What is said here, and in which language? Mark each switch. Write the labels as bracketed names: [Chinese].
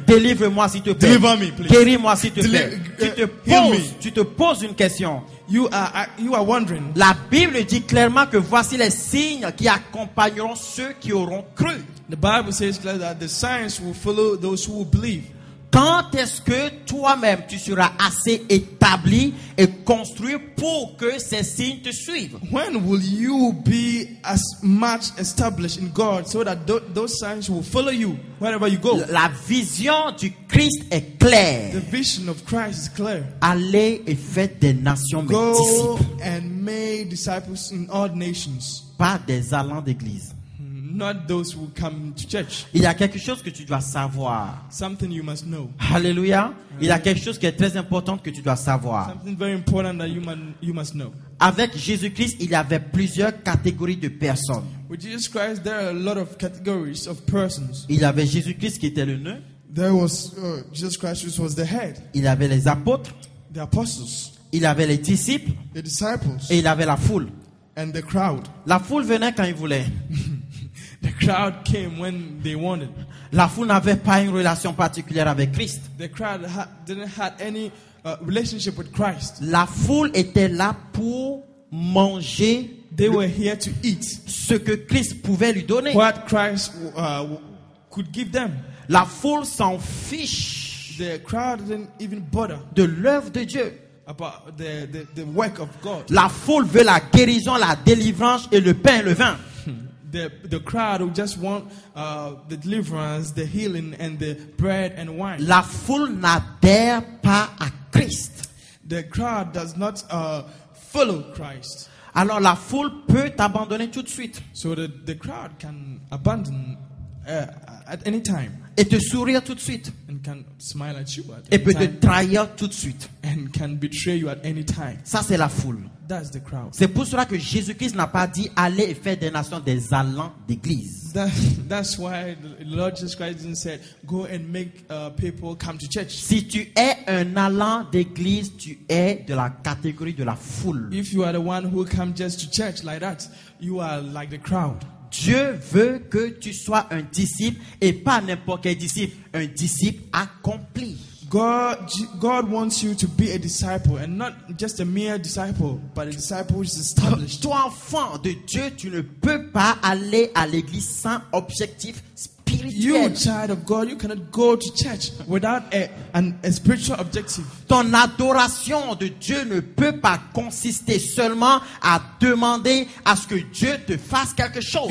[French] Délivre-moi s'il te plaît. [English] Deliver me, please. [French] Guéris-moi s'il te plaît. Tu te poses une question. [English] You are wondering. [French] La Bible dit clairement que voici les signes qui accompagneront ceux qui auront cru. [English] The Bible says clearly that the signs will follow those who believe. [French] Quand est-ce que toi-même tu seras assez établi et construit pour que ces signes te suivent? [English] When will you be as much established in God so that those signs will follow you wherever you go? [French] La vision du Christ est claire. [English] The vision of Christ is clear. [French] Allez et faites des nations [English] go and make disciples in all nations. [French] Pas des allants d'église. [English] Not those who come to church. [French] Il y a quelque chose que tu dois savoir. [English] Something you must know. [French] Alléluia. Il y a quelque chose qui est très important que tu dois savoir. [English] Something very important that you must know. [French] Avec Jésus-Christ, il y avait plusieurs catégories de personnes. [English] With Jesus Christ, there are a lot of categories of persons. [French] Il y avait Jésus-Christ qui était le nœud. [English] There was Jesus Christ, which was the head. [French] Il y avait les apôtres. [English] The apostles. [French] Il y avait les disciples. [English] The disciples. [French] Et il y avait la foule. [English] and the crowd. [French] La foule venait quand il voulait. [English] The crowd came when they wanted. [French] La foule n'avait pas une relation particulière avec Christ. [English] The crowd didn't have any relationship with Christ. [French] La foule était là pour manger. [English] They were here to eat. [French] Ce que Christ pouvait lui donner. [English] What Christ could give them. [French] La foule s'en fiche. [English] The crowd didn't even bother. [French] De l'œuvre de Dieu. [English] About the work of God. [French] La foule veut la guérison, la délivrance et le pain et le vin. [English] The crowd who just want the deliverance, the healing and the bread and wine. [French] La foule n'adhère pas à Christ. [English] The crowd does not follow Christ. [French] Alors la foule peut abandonner tout de suite. [English] So the crowd can abandon at any time. [French] Et te sourire tout de suite. [English] And can smile at you at [French] et peut te trahir tout de suite. [English] And can betray you at any time. [French] Ça c'est la foule. [English] That's the crowd. [French] C'est pour cela que Jésus-Christ n'a pas dit allez et faire des nations des allants d'église. [English] That's why the Lord Jesus Christ didn't say go and make people come to church. [French] Si tu es un allant d'église, tu es de la catégorie de la foule. [English] If you are the one who comes just to church like that, you are like the crowd. [French] Dieu veut que tu sois un disciple et pas n'importe quel disciple, un disciple accompli. [English] God wants you to be a disciple and not just a mere disciple, but a disciple who is established. [French] Toi, enfant de Dieu, tu ne peux pas aller à l'église sans objectif spirituel. [English] You, child of God, you cannot go to church without a spiritual objective. [French] Ton adoration de Dieu ne peut pas consister seulement à demander à ce que Dieu te fasse quelque chose.